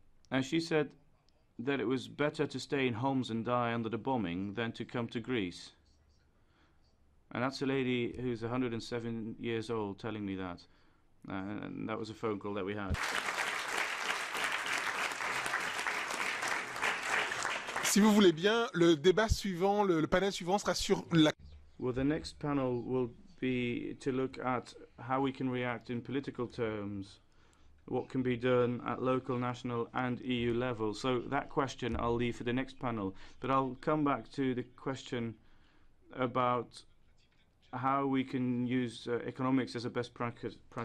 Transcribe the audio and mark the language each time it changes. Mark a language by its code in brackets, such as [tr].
[en] And she said that it was better to stay in Homs and die under the bombing than to come to Greece. And that's a lady who's 107 years old telling me that. And that was a phone call that we had. [fr] Si vous voulez bien, le débat suivant, le panel suivant sera sur la... [en] Well, the next panel will be to look at how we can react in political terms, what can be done at local, national and EU level. So that question I'll leave for the next panel. But I'll come back to the question about how we can use economics as a best practice.